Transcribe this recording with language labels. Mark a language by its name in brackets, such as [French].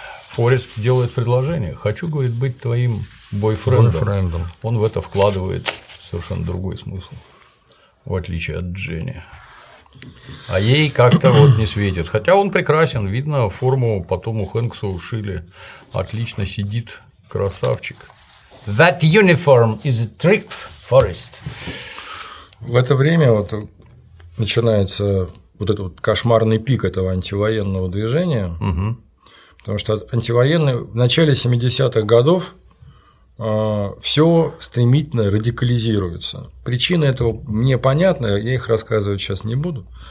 [Russian] Форест делает предложение. «Хочу, – говорит, – быть твоим бойфрендом». Он в это вкладывает совершенно другой смысл, в отличие от Дженни. А ей как-то вот не светит. Хотя он прекрасен, видно, форму по Тому Хэнксу ушили. Отлично сидит, красавчик. [English] That uniform is a trick, Forest. [Russian] В это время вот начинается вот этот вот кошмарный пик этого антивоенного движения. Угу. Потому что антивоенные в начале 70-х годов все стремительно радикализируется. Причины этого мне понятны, я их рассказывать сейчас не буду.